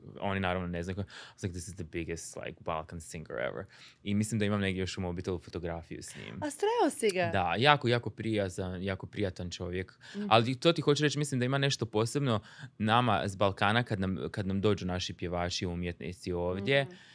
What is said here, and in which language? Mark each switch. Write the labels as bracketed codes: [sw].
[hr] Oni naravno ne znaju. [en] I was like, this is the biggest like Balkan singer ever. [hr] I mislim da imam negdje još u mobitelu fotografiju s njim. A sreo si ga? Da, jako, jako prijazan, jako prijatan čovjek. Mm. Ali to ti hoću reći, mislim da ima nešto posebno nama s Balkana kad nam dođu naši pjevači i umjetnici ovdje.